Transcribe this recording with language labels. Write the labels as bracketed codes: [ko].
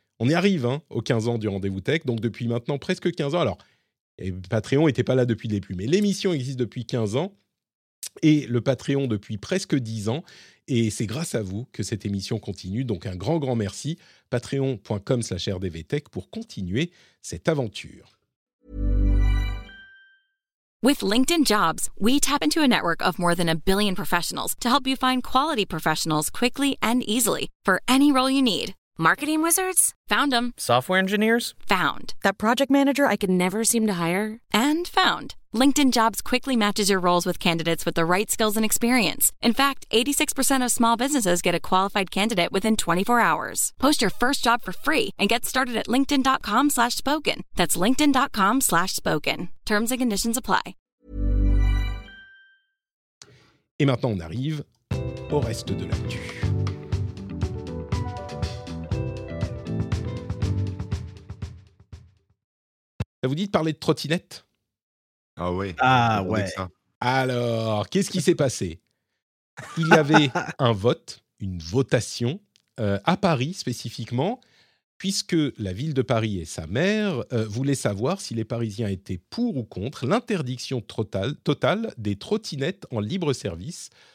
[fr] On y arrive hein, aux 15 ans du Rendez-vous Tech, donc depuis maintenant presque 15 ans. Alors, Patreon n'était pas là depuis le début, mais l'émission existe depuis 15 ans et le Patreon depuis presque 10 ans. Et c'est grâce à vous que cette émission continue. Donc un grand, grand merci. patreon.com/rdvtech pour continuer cette aventure. [en] With LinkedIn Jobs, we tap into a network of more than a billion professionals to help you find quality professionals quickly and easily for any role you need. Marketing wizards? Found them. Software engineers? Found. That project manager I could never seem to hire? And found. LinkedIn Jobs quickly matches your roles with candidates with the right skills and experience. In fact, 86% of small businesses get a qualified candidate within 24 hours. Post your first job for free and get started at linkedin.com/spoken. That's linkedin.com/spoken. Terms and conditions apply. [fr] Et maintenant, on arrive au reste de l'actu. Ça vous dit de parler de trottinette ? Ah ouais. Ah ouais. Alors, qu'est-ce qui s'est passé ? Il y avait un vote, une votation, à Paris spécifiquement, puisque la ville de Paris et sa maire voulaient savoir si les Parisiens étaient pour ou contre l'interdiction totale des trottinettes en libre-service.